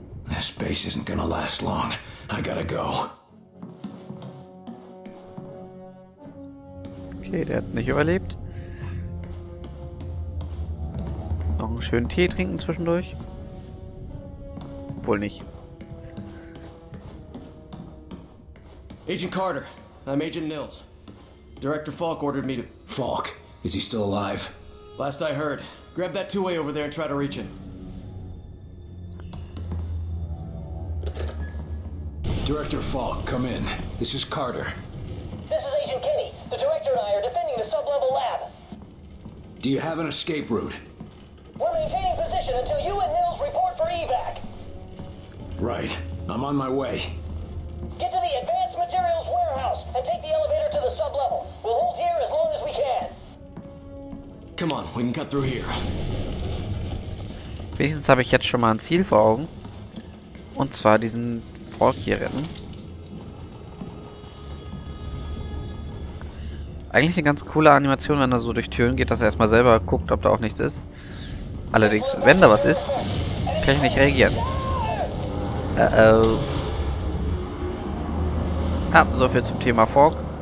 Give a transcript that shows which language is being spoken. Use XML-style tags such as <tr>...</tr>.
<en>This base isn't gonna last long. I gotta go.</en> <de>Okay, der hat nicht überlebt. Noch einen schönen Tee trinken zwischendurch. Wohl nicht.</de> <en>Agent Carter, I'm Agent Nils. Director Falk ordered me to... Falk, is he still alive? Last I heard. Grab that two-way over there and try to reach him. Director Falk, come in. This is Carter. This is Agent Kinney. The director and I are defending the sublevel lab. Do you have an escape route? We're maintaining position until you and Nils report for evac. Right. I'm on my way. Get to the Advanced Materials Warehouse and take the elevator to the sublevel. We'll hold here as long as we can. Come on, we can cut through here.</en> <de>Wenigstens habe ich jetzt schon mal ein Ziel vor Augen. Und zwar diesen Falk hier retten. Eigentlich eine ganz coole Animation, wenn er so durch Türen geht, dass er erstmal selber guckt, ob da auch nichts ist. Allerdings, wenn da was ist, kann ich nicht reagieren. Ja, so viel zum Thema Falk.</de>